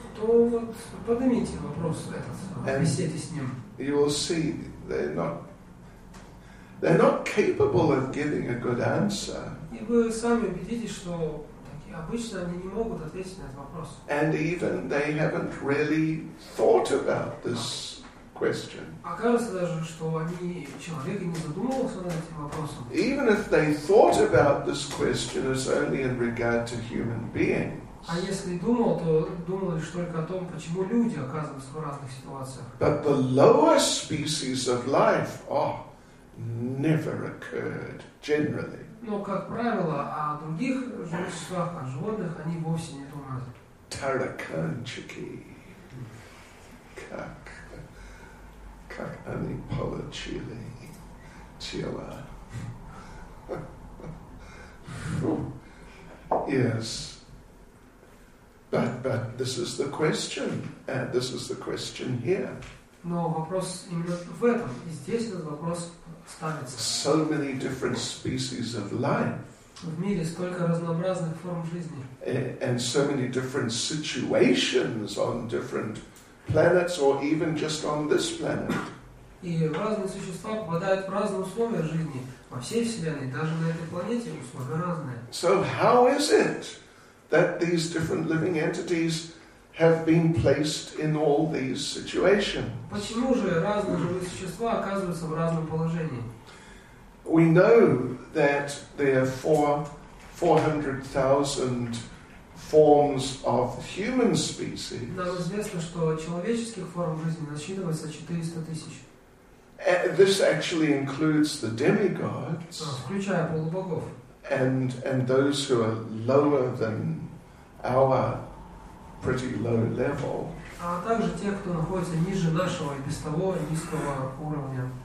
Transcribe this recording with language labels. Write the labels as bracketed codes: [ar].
[ru] То вот поднимите вопрос этот, беседе с ним. [en] You will see they're not capable of giving a good answer. [ru] И вы сами убедитесь, что такие обычно они не могут ответить на этот вопрос. [en] And even they haven't really thought about this question. [ru] Оказывается даже, что они человек и не задумывался над этим вопросом. [en] Even if they thought about this question as only in regard to human beings. [ru] А если думал, то думал лишь только о том, почему люди оказываются в разных ситуациях. [en] But the lower species of life, never occurred generally. [ru] Но, как правило, о других живых существах, о животных, они вовсе не думают. Тараканчики. Как они получили тела. [en] Yes. But this is the question, and this is the question here. [ru] Но вопрос именно в этом, и здесь этот вопрос ставится. [en] So many different species of life. [ru] В мире столько разнообразных форм жизни. [en] And so many different situations on different planets, or even just on this planet. [ru] И разные существа попадают в разные условия жизни во всей вселенной, даже на этой планете условия разные. [en] So how is it that these different living entities have been placed in all these situations? [ru] Почему же разные живые существа оказываются в разном положении? [en] We know that there are 400,000 forms of human species. [ru] Нам известно, что человеческих форм жизни насчитывается 400,000. [en] This actually includes the demigods. [ru] Включая полубогов. [en] And those who are lower than our pretty low level. [ru] А также те, кто находится ниже нашего и без того низкого уровня.